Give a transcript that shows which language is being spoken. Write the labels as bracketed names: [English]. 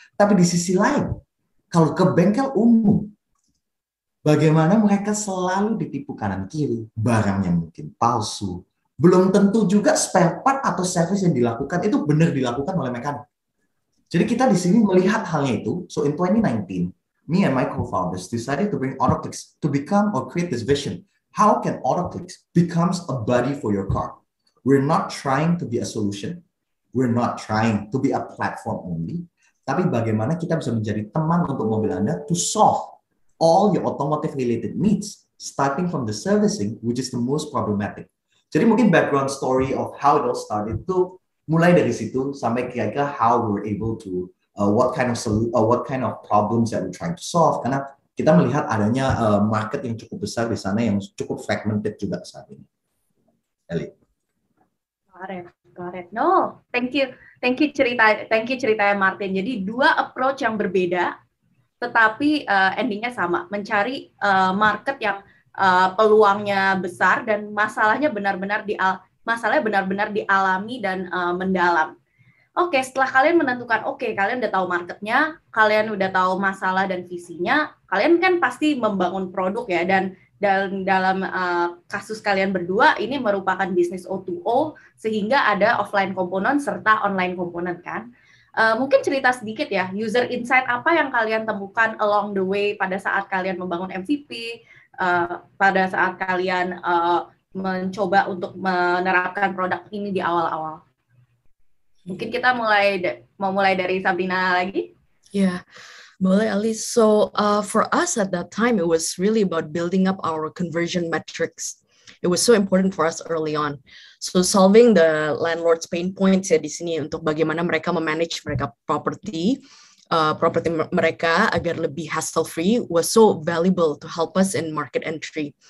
[Indonesian] Tapi di sisi lain, kalau ke bengkel umum, bagaimana mereka selalu ditipu kanan-kiri, barangnya mungkin palsu, belum tentu juga spare part atau service yang dilakukan itu benar dilakukan oleh mekanik. Jadi kita di sini melihat halnya itu. [English] So in 2019, me and my co-founders decided to bring Autoclix to become or create this vision. How can Autoclix becomes a buddy for your car? We're not trying to be a solution. We're not trying to be a platform only. [Indonesian] Tapi bagaimana kita bisa menjadi teman untuk mobil Anda [English] to solve all your automotive related needs, starting from the servicing, which is the most problematic. [Indonesian] Jadi mungkin [English] background story of how it all started [Indonesian] itu mulai dari situ sampai kira-kira [English] how we're able to what kind of problems that we're trying to solve. [Indonesian] Karena kita melihat adanya market yang cukup besar di sana yang cukup fragmented juga saat ini. Eli. [English] Got it. No, thank you [Indonesian] ceritanya [English] Martin. [Indonesian] Jadi dua approach yang berbeda, tetapi endingnya sama, mencari market yang peluangnya besar dan masalahnya benar-benar dialami dan mendalam. Oke, setelah kalian menentukan, oke, kalian udah tahu marketnya, kalian udah tahu masalah dan visinya, kalian kan pasti membangun produk ya, dan dalam kasus kalian berdua, ini merupakan bisnis O2O, sehingga ada offline komponen serta online komponen kan. Mungkin cerita sedikit ya, user insight apa yang kalian temukan [English] along the way [Indonesian] pada saat kalian membangun MVP, pada saat kalian mencoba untuk menerapkan produk ini di awal-awal. Mungkin kita mau mulai dari Sabrina lagi. Yeah, boleh Ali. [English] So for us at that time, it was really about building up our conversion metrics. It was so important for us early on. So solving the landlord's pain points [Indonesian] ya di sini untuk bagaimana mereka memanage mereka property mereka agar lebih [English] hassle free was so valuable to help us in market entry.